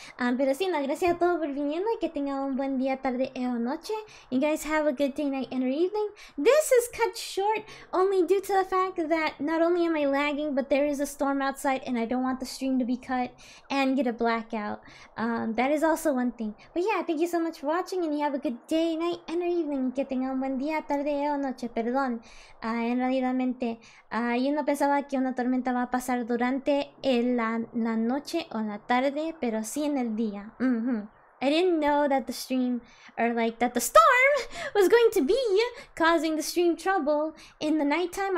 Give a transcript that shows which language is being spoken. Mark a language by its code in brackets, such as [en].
[es] Pero sí, no, gracias a todos por viniendo y que tengan un buen día, tarde o noche. [en] You guys have a good day, night, and or evening. This is cut short only due to the fact that not only am I lagging, but there is a storm outside and I don't want the stream to be cut and get a blackout. That is also one thing. But yeah, thank you so much for watching and you have a good day, night, and or evening. [es] que tenga un buen día, tarde o noche, perdón. En realidad, yo no pensaba que una tormenta va a pasar durante la noche o la tarde, pero sí en el día. [en] I didn't know that the stream, or like that the storm was going to be causing the stream trouble in the nighttime.